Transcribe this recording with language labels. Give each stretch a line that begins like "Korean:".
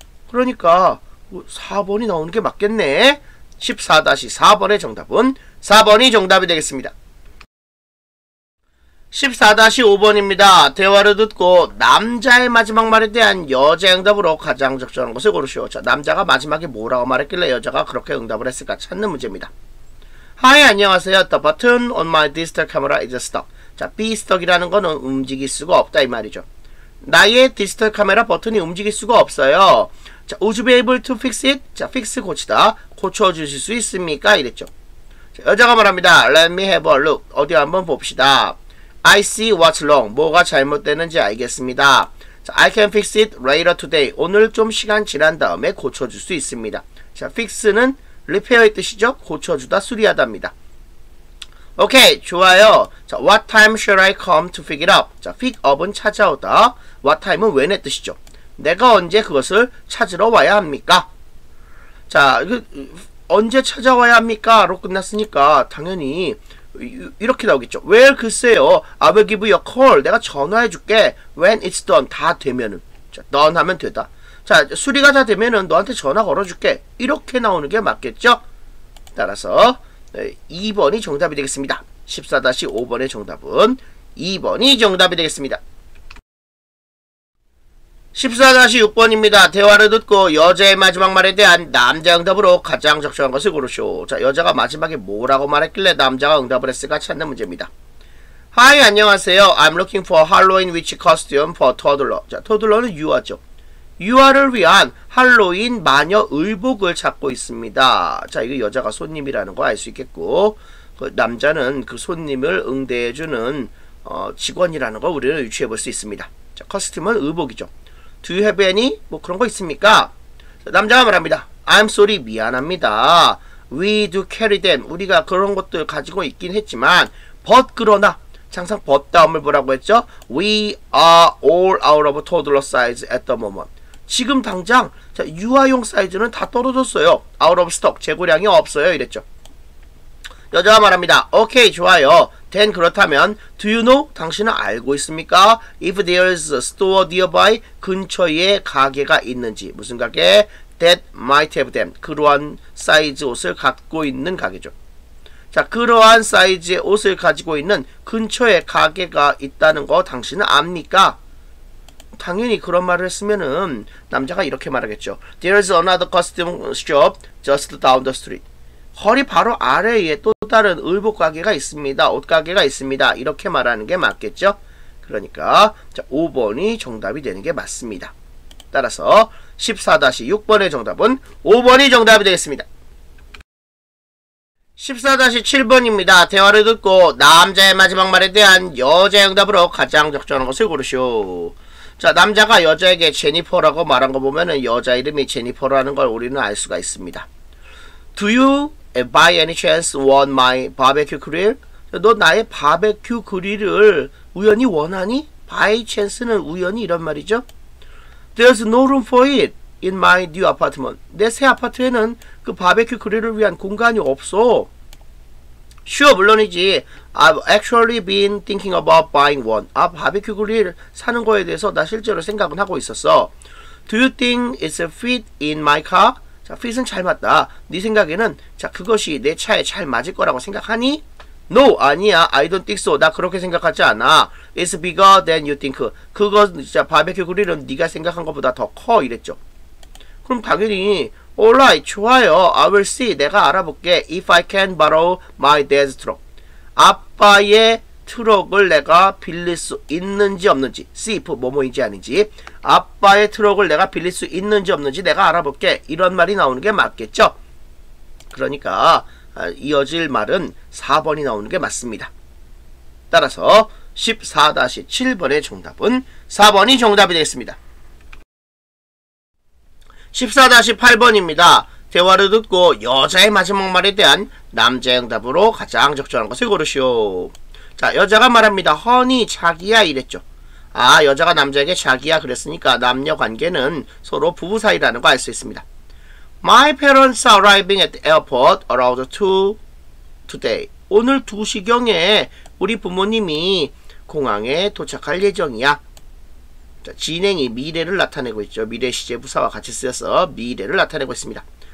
Korean: 그러니까, 4번이 나오는 게 맞겠네. 14-4번의 정답은 4번이 정답이 되겠습니다. 14-5번입니다. 대화를 듣고 남자의 마지막 말에 대한 여자의 응답으로 가장 적절한 것을 고르시오. 자, 남자가 마지막에 뭐라고 말했길래 여자가 그렇게 응답을 했을까 찾는 문제입니다. Hi, 안녕하세요.
English: The button on my digital camera is stuck.
Korean: 자, be stuck이라는 거는 움직일 수가 없다 이 말이죠. 나의 디지털 카메라 버튼이 움직일 수가 없어요.
English: 자, would you be able to fix it?
Korean: 자, fix 고치다. 고쳐주실 수 있습니까? 이랬죠. 자, 여자가 말합니다.
English: Let me have a look.
Korean: 어디 한번 봅시다.
English: I see what's wrong.
Korean: 뭐가 잘못되는지 알겠습니다.
English: 자, I can fix it later today.
Korean: 오늘 좀 시간 지난 다음에 고쳐줄 수 있습니다. 자, fix는 repair의 뜻이죠. 고쳐주다, 수리하다입니다. 오케이, 좋아요.
English: 자, what time should I come to pick it up?
Korean: 자, pick up은 찾아오다. What time은 when의 뜻이죠. 내가 언제 그것을 찾으러 와야 합니까? 자, 언제 찾아와야 합니까? 로 끝났으니까 당연히 이렇게 나오겠죠.
English: Well,
Korean: 글쎄요.
English: I will give you a call.
Korean: 내가 전화해 줄게.
English: When it's done.
Korean: 다 되면은. 자,
English: done 하면 되다.
Korean: 자, 수리가 다 되면은 너한테 전화 걸어줄게. 이렇게 나오는 게 맞겠죠? 따라서 2번이 정답이 되겠습니다. 14-5번의 정답은 2번이 정답이 되겠습니다. 14-6번입니다. 대화를 듣고 여자의 마지막 말에 대한 남자 응답으로 가장 적절한 것을 고르시오. 자, 여자가 마지막에 뭐라고 말했길래 남자가 응답을 했을까 찾는 문제입니다. Hi, 안녕하세요.
English: I'm looking for Halloween witch costume for toddler.
Korean: 자, toddler는 유아죠. 유아를 위한 할로윈 마녀 의복을 찾고 있습니다. 자, 이거 여자가 손님이라는 거 알 수 있겠고, 그 남자는 그 손님을 응대해주는 직원이라는 거 우리는 유추해 볼 수 있습니다. 자, 커스튬은 의복이죠.
English: Do you have any?
Korean: 뭐 그런 거 있습니까? 남자가 말합니다.
English: I'm sorry.
Korean: 미안합니다.
English: We do carry them.
Korean: 우리가 그런 것들 가지고 있긴 했지만,
English: but
Korean: 그러나, 항상 but 다음을 보라고 했죠?
English: We are all out of toddler size at the moment.
Korean: 지금 당장 자, 유아용 사이즈는 다 떨어졌어요.
English: Out of stock.
Korean: 재고량이 없어요. 이랬죠. 여자가 말합니다.
English: Okay,
Korean: 좋아요.
English: Then
Korean: 그렇다면
English: Do you know?
Korean: 당신은 알고 있습니까?
English: If there is a store nearby,
Korean: 근처에 가게가 있는지. 무슨 가게?
English: That might have them.
Korean: 그러한 사이즈 옷을 갖고 있는 가게죠. 자, 그러한 사이즈의 옷을 가지고 있는 근처에 가게가 있다는 거 당신은 압니까? 당연히 그런 말을 했으면은 남자가 이렇게 말하겠죠.
English: There is another costume shop just down the street.
Korean: 거리 바로 아래에 또 다른 의복 가게가 있습니다. 옷 가게가 있습니다. 이렇게 말하는 게 맞겠죠? 그러니까 자, 5번이 정답이 되는 게 맞습니다. 따라서 14-6번의 정답은 5번이 정답이 되겠습니다. 14-7번입니다. 대화를 듣고 남자의 마지막 말에 대한 여자의 응답으로 가장 적절한 것을 고르시오. 자, 남자가 여자에게 제니퍼라고 말한 거 보면은 여자 이름이 제니퍼라는 걸 우리는 알 수가 있습니다.
English: Do you by any chance want my barbecue grill?
Korean: 너 나의 바베큐 그릴을 우연히 원하니? By chance는 우연히 이런 말이죠.
English: There's no room for it in my new apartment.
Korean: 내 새 아파트에는 그 바베큐 그릴을 위한 공간이 없어.
English: Sure,
Korean: 물론이지.
English: I've actually been thinking about buying one.
Korean: 아, 바베큐 그릴 사는 거에 대해서 나 실제로 생각은 하고 있었어.
English: Do you think it's a fit in my car?
Korean: 자, fit은 잘 맞다. 네 생각에는 자 그것이 내 차에 잘 맞을 거라고 생각하니?
English: No,
Korean: 아니야.
English: I don't think so.
Korean: 나 그렇게 생각하지 않아.
English: It's bigger than you think.
Korean: 그거 진짜 바베큐 그릴은 네가 생각한 것보다 더 커. 이랬죠. 그럼 당연히
English: Alright,
Korean: 좋아요.
English: I will see.
Korean: 내가 알아볼게.
English: If I can borrow my dad's truck.
Korean: 아빠의 트럭을 내가 빌릴 수 있는지 없는지. See if 뭐뭐인지 아닌지. 아빠의 트럭을 내가 빌릴 수 있는지 없는지 내가 알아볼게. 이런 말이 나오는 게 맞겠죠. 그러니까 이어질 말은 4번이 나오는 게 맞습니다. 따라서 14-7번의 정답은 4번이 정답이 되겠습니다. 14-8번입니다. 대화를 듣고 여자의 마지막 말에 대한 남자의 응답으로 가장 적절한 것을 고르시오. 자, 여자가 말합니다. 허니, 자기야 이랬죠. 아, 여자가 남자에게 자기야 그랬으니까 남녀관계는 서로 부부 사이라는 거 알 수 있습니다.
English: My parents are arriving at the airport around 2 today.
Korean: 오늘 2시경에 우리 부모님이 공항에 도착할 예정이야. 자, 진행이 미래를 나타내고 있죠. 미래 시제 부사와 같이 쓰여서 미래를 나타내고 있습니다.